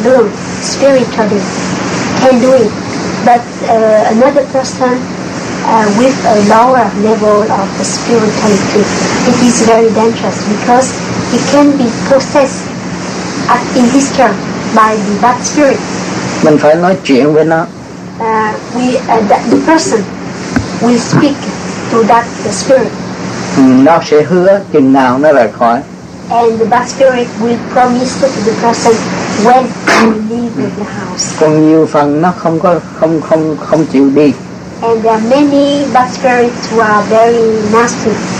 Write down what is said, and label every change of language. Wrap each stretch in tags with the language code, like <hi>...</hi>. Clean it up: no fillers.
<en>Lu spiritually can do it, but another person with a lower level of the spirituality, it is very dangerous because he can be possessed at, in his turn by the bad spirit.</en> <vi>Mình phải nói chuyện với nó.</vi> <en>The person will speak to that spirit.</en> <vi>Nó sẽ hứa chừng nào nó rời khỏi.</vi> <en>And the bad spirit will promise to the person when you leave the house.</en> <vi>Còn nhiều phần nó không chịu đi.</vi> <en>And there are many bad spirits who are very nasty.</en>